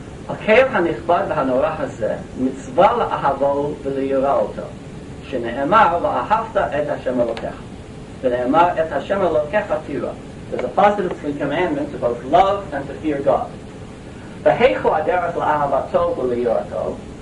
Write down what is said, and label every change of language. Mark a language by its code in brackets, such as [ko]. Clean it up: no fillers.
[he] הקהל הנכבד והנורא הזה מצווה לאהבו וליראה אותו, שנאמר, ואהבת את השם אלוקיך. ונאמר, את השם אלוקיך תירא. [en] There's a positive commandment to both love and to fear God. [he] והיכו הדרך לאהבתו וליראתו.